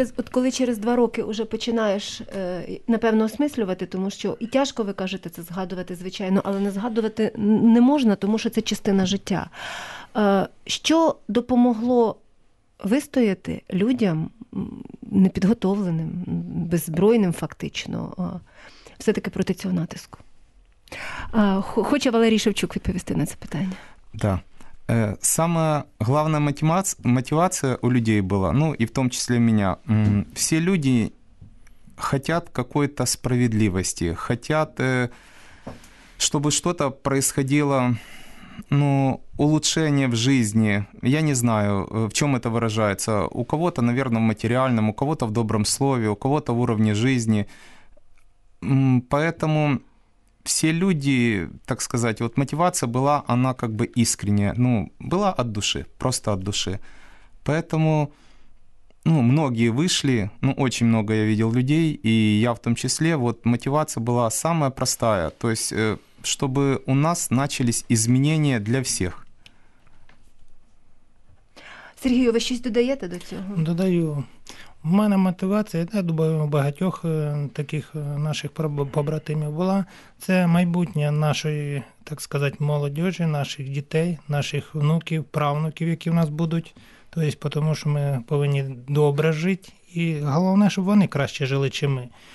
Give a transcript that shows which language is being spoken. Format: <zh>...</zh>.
<uk>Коли через два роки уже починаєш, напевно, осмислювати, тому що і тяжко, ви кажете, це згадувати, звичайно, але не згадувати не можна, тому що це частина життя. Що допомогло вистояти людям, непідготовленим, беззбройним фактично, все-таки проти цього натиску? Хоче Валерій Шевчук відповісти на це питання.</uk> <ru>Да. Самая главная мотивация у людей была, ну и в том числе меня, все люди хотят какой-то справедливости, хотят, чтобы что-то происходило, ну, улучшение в жизни. Я не знаю, в чем это выражается. У кого-то, наверное, в материальном, у кого-то в добром слове, у кого-то в уровне жизни. Поэтому все люди, так сказать, вот мотивация была, она как бы искренняя. Ну, была от души, просто от души. Поэтому, ну, многие вышли, ну, очень много я видел людей, и я в том числе, вот мотивация была самая простая. То есть, чтобы у нас начались изменения для всех. Сергей, вы что-то додаете до этого?</ru> <uk>Додаю. У мене мотивація, я думаю, у багатьох таких наших побратимів була, це майбутнє нашої, так сказати, молодіжі, наших дітей, наших внуків, правнуків, які в нас будуть. Тобто, тому що ми повинні добре жити, і головне, щоб вони краще жили, чи ми.</uk>